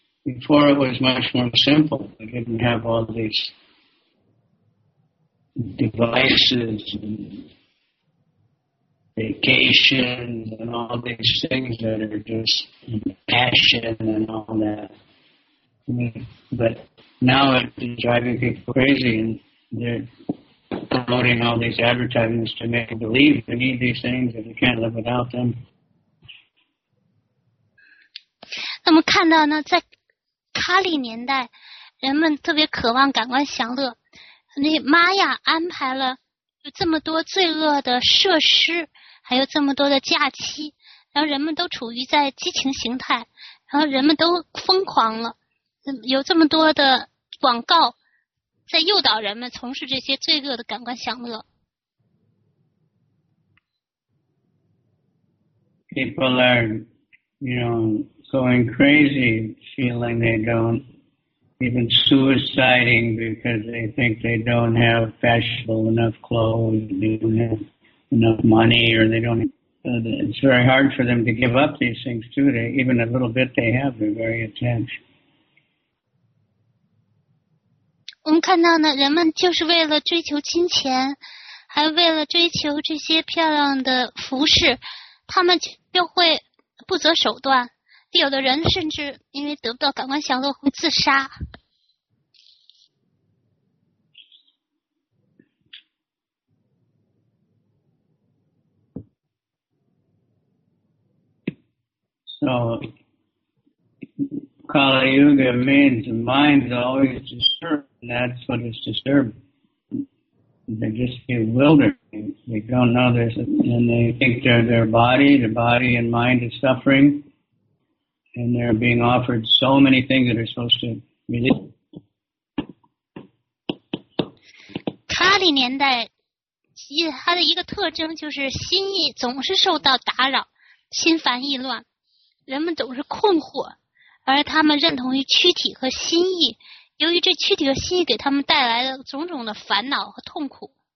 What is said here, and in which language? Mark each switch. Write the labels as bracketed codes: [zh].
[en] Before it was much more simple. We didn't have all these devices and vacations and all these things that are just passion and all that. But now it's driving people crazy and they're promoting all these advertisements to make them believe they need these things and you can't live without them. [zh] 那么看到呢在哈利年代，人们特别渴望感官享乐。那玛雅安排了有这么多罪恶的设施，还有这么多的假期，然后人们都处于在激情形态，然后人们都疯狂了。有这么多的广告在诱导人们从事这些罪恶的感官享乐。 [en] People are, you know. Going crazy, feeling they don't, even suiciding because they think they don't have fashionable enough clothes, they don't have enough money, or they don't, it's very hard for them to give up these things too. They, even a little bit they have, they're very attached. [zh] 我们看到呢，人们就是为了追求金钱，还为了追求这些漂亮的服饰，他们就会不择手段。有的人甚至因为得不到感官享乐会自杀。 [en] So, Kali Yuga means the mind is always disturbed, and that's what is disturbed. They're just bewildered. They don't know there's, and they think their body and mind is suffering. And they're being offered so many things that are supposed to be. [zh] Kali 年代，它的一个特征就是心意总是受到打扰，心烦意乱，人们总是困惑，而他们认同于躯体和心意，由于这躯体和心意给他们带来的种种的烦恼和痛苦。